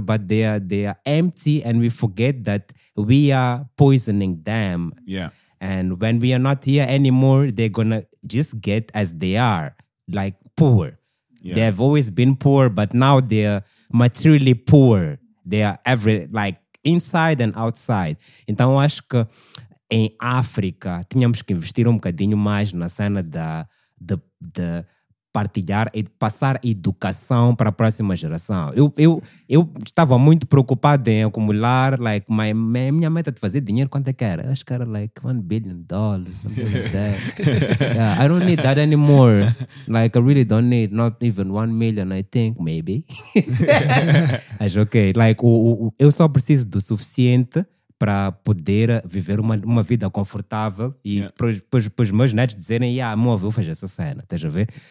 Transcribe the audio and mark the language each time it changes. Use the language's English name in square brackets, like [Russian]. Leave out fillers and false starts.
[English] But they are empty, and we forget that we are poisoning them. Yeah. And when we are not here anymore, they're gonna just get as they are, like poor. Yeah. They have always been poor, but now they're materially poor. They are every, like, inside and outside. [Portuguese] Então, eu acho que em África, tínhamos que investir um bocadinho mais na cena de partilhar e passar educação para a próxima geração. Eu estava muito preocupado em acumular, like, minha meta de fazer dinheiro, quanto é que era? Acho que era like $1 billion, [English] something like that. Yeah, I don't need that anymore. Like, I really don't need, not even 1 million, I think, maybe. [Portuguese] Acho ok. Like, eu só preciso do suficiente para poder viver uma vida confortável e para os meus netos dizerem, amor, vou fazer essa cena, estás a ver?